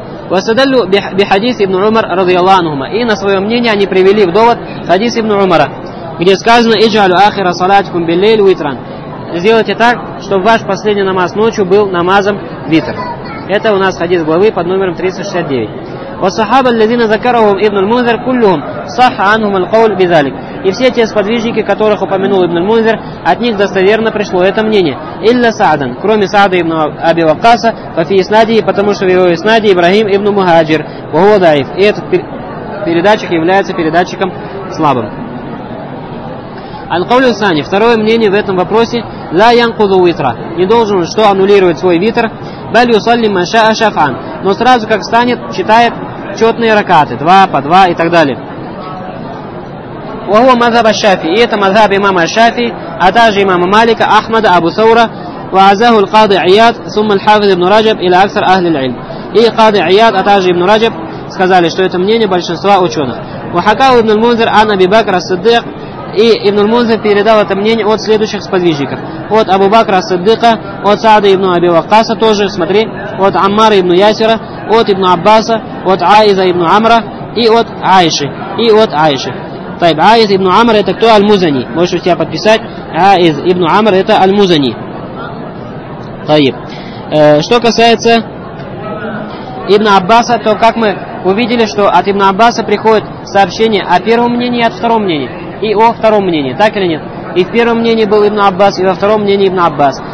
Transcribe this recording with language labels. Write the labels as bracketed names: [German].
[Arabic] واستدلوا بحديث ابن عمر رضي الله عنهما [Russian] и на своё мнение они привели в довод хадис ибн Умара, где сказано: [Arabic] иджалю ахира салатикум биллейл витран. [Russian] Сделайте так, чтобы ваш последний намаз ночью был намазом витр. Это у нас хадис главы под номером 369. [Arabic] والصحابة الذين ذكرهم ابن المنذر كلهم صح عنهم القول بذلك. [Russian] И все те сподвижники, которых упомянул ибн аль-Мунзир, от них достоверно пришло это мнение. Илля Саадан, кроме Саада ибн Аби Вакаса, фафи иснадии, потому что в его иснадии Ибрагим ибн Мухаджир, [Arabic] вахуа даиф. [Russian] И этот передатчик является передатчиком слабым. Аль-Каулю Сани, второе мнение в этом вопросе, [Arabic] ла янкузу витра, [Russian] не должен что аннулировать свой витр, [Arabic] баль юсалли манша ашафан, [Russian] но сразу как станет, читает четные ракаты, 2 по 2 и так далее. [Arabic] وهو مذهب الشافعي ايت مذهب امام الشافعي اتاج امام مالك احمد ابو ثوره وعزاه القاضي عياض ثم الحافظ ابن رجب الى اكثر اهل العلم اي قاضي عياض اتاج ابن رجب [Russian] сказали что это мнение большинства ученых [Arabic] وحكى ابن المنذر عن ابي بكر الصديق اي ابن المنذر [Russian] передал это мнение от следующих сподвижников от [Arabic] ابو بكر الصديق от سعد ابن ابي وقاص тоже смотри от عمار ابن ياسر от ابن عباس от عائذه ابن عمرو и от عائشه и от عائشه. [Russian] Тайб, Аиз ибн Амр это кто? Аль-Музани. Можешь у себя подписать. Аиз ибн Амр это Аль-Музани. Тайб. Что касается ибн Аббаса, то как мы увидели, что от ибн Аббаса приходит сообщение о первом мнении и о втором мнении. И о втором мнении, так или нет? И в первом мнении был ибн Аббас, и во втором мнении ибн Аббас.